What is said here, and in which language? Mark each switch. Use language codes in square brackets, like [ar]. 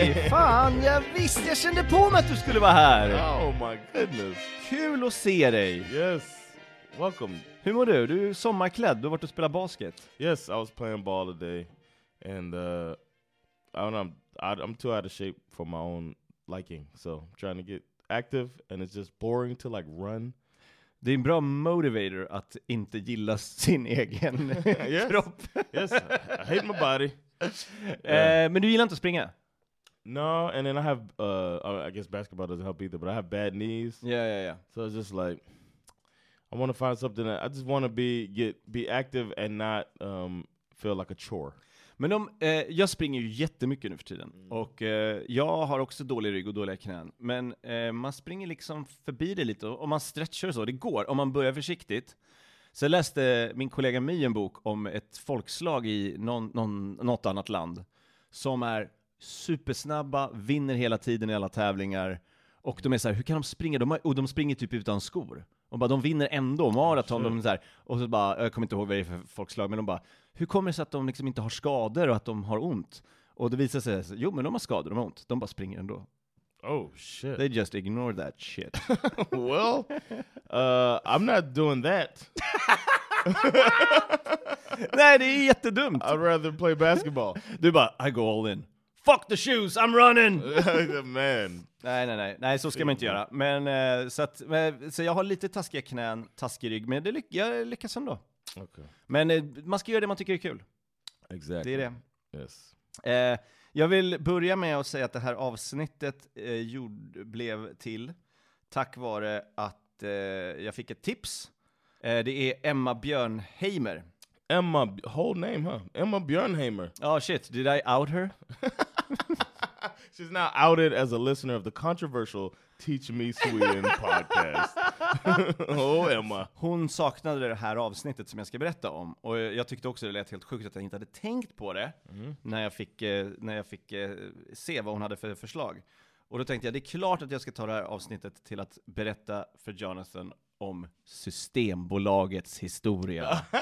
[sv] Fan, jag visste, jag kände på mig att du skulle vara här. [en] Oh my goodness. [sv] Kul att se dig. [en] Yes, welcome. [sv] Hur mår du? Du är sommarklädd, du har varit och spelat basket. [en] Yes, I was playing ball today. And I don't know, I'm too out of shape for my own liking. So I'm trying to get active and it's just boring to like run. [sv] Det är en bra motivator att inte gilla sin egen kropp. [en] Yes, I hate my body. [sv] Men du gillar inte att springa? [en] No, and then I have, I guess basketball doesn't help either, but I have bad knees. Yeah. So it's just like, I want to find something that I just want to be active and not feel like a chore. [sv] Men jag springer ju jättemycket nu för tiden. Och jag har också dålig rygg och dåliga knän. Men man springer liksom förbi det lite. Och man stretchar så, det går. Om man börjar försiktigt. Så jag läste min kollega My en bok om ett folkslag i något annat land. Som är supersnabba, vinner hela tiden i alla tävlingar. Och de är så här, hur kan de springa? De springer typ utan skor. Och bara, de vinner ändå maraton. De är så här, och så bara, jag kommer inte ihåg vad det är för folkslag. Men de bara, hur kommer det sig att de liksom inte har skador och att de har ont? Och det visar sig, jo men de har skador, de har ont. De bara springer ändå. [en] Oh shit. They just ignore that shit. Well, I'm not doing that. [sv] Nej, det är jättedumt. [en] I'd rather play basketball. [sv] Du bara, [en] I go all in. Fuck the shoes, I'm running! Man. [sv] Nej, så ska man inte göra. Men så jag har lite taskiga knän, taskig rygg, men jag lyckas ändå. [en] Okay. [sv] Men man ska göra det man tycker är kul. [en] Exactly. [sv] Det är det. [en] Yes. [sv] Jag vill börja med att säga att det här avsnittet blev till tack vare att jag fick ett tips. Det är Emma Björnheimer. [en] Emma, whole name, huh? Emma Björnheimer. Oh, shit. Did I out her? She's now outed as a listener of the controversial Teach Me Sweden podcast. Oh, Emma. [sv] Hon saknade det här avsnittet som jag ska berätta om. Och jag tyckte också det lät helt sjukt att jag inte hade tänkt på det när jag fick se vad hon hade för förslag. Och då tänkte jag, det är klart att jag ska ta det här avsnittet till att berätta för Jonathan om Systembolagets historia.